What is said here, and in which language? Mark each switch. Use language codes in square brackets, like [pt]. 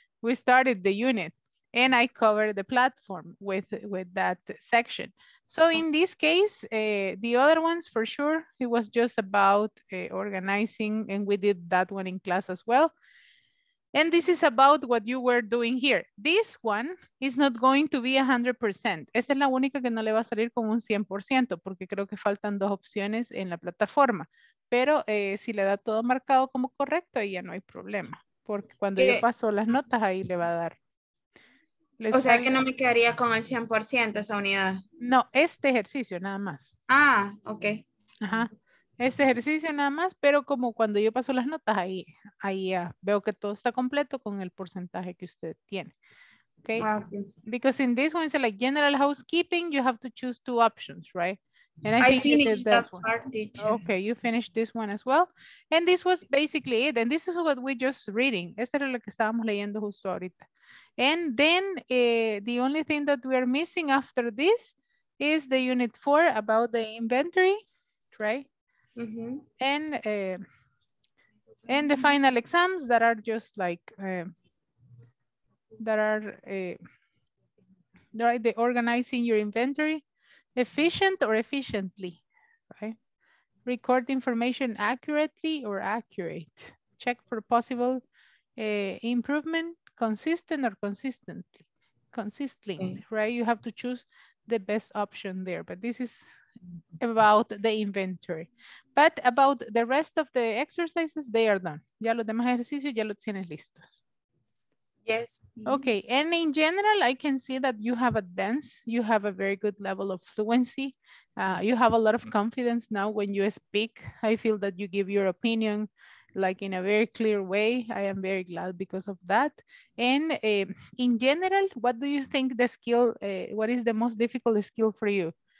[en] We started the unit and I covered the platform with that section. So in this case, the other ones for sure, it was just about organizing, and we did that one in class as well. And this is about what you were doing here. This one is not going to be 100%. [es] Esa es la única que no le va a salir con un 100% porque creo que faltan dos opciones en la plataforma. Pero si le da todo marcado como correcto, ahí ya no hay problema. Porque cuando yo paso las notas, ahí le va a dar. Les o sea que no me quedaría con el 100% esa unidad. No, este ejercicio nada más. Ah, ok. Ajá. Este ejercicio nada más, pero como cuando yo paso las notas, ahí ya veo que todo está completo con el porcentaje que usted tiene. [en] Okay. Because in this one, it's like general housekeeping, you have to choose two options, right? And I finished that part, teacher. Okay, you finished this one as well. And this was basically it. And this is what we just reading. [es] Este era lo que estábamos leyendo justo ahorita. [en] And then the only thing that we are missing after this is the unit 4 about the inventory, right? Mm-hmm. And the final exams that are just like the organizing your inventory efficient or efficiently, right? Record information accurately or accurate. Check for possible improvement consistent or consistently. Consistently, mm-hmm. Right? You have to choose the best option there. But this is about the inventory. But about the rest of the exercises, they are done. [es] Ya los demás ejercicios ya los tienes listos. [en] Yes. Okay. And in general, I can see that you have advanced. You have a very good level of fluency. You have a lot of confidence now when you speak. I feel that you give your opinion like in a very clear way. I am very glad because of that. And in general, what do you think the skill, what is the most difficult skill for you?